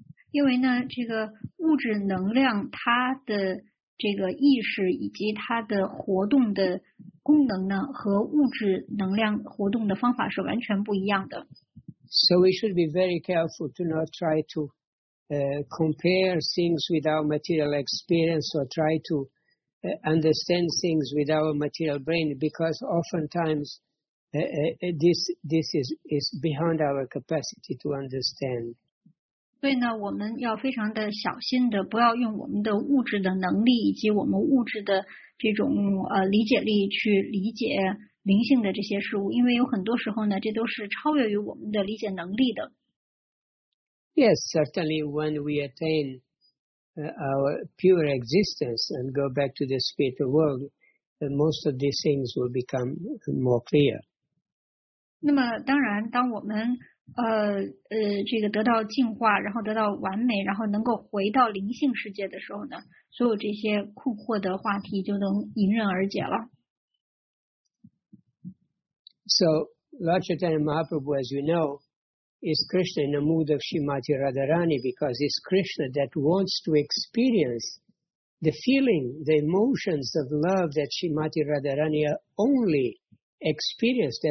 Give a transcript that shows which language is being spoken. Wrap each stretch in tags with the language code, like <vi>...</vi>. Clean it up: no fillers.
<zh>因为呢，这个物质能量它的这个意识以及它的活动的功能呢，和物质能量活动的方法是完全不一样的。</zh> <en>So we should be very careful to not try to compare things with our material experience or try to understand things with our material brain, because oftentimes this is beyond our capacity to understand.</en> <zh>所以呢，我们要非常的小心的，不要用我们的物质的能力以及我们物质的这种理解力去理解灵性的这些事物，因为有很多时候呢，这都是超越于我们的理解能力的。</zh> <en>Yes, certainly when we attain our pure existence and go back to the spiritual world, most of these things will become more clear.</en> <zh>那么当然，当我们这个得到净化，然后得到完美，然后能够回到灵性世界的时候呢，所有这些困惑的话题就能迎刃而解了。</zh> <en>So, Lord Chaitanya Mahaprabhu, as you know, is Krishna in the mood of Srimati Radharani because it's Krishna that wants to experience the feeling, the emotions of love that Srimati Radharani only experienced.</en>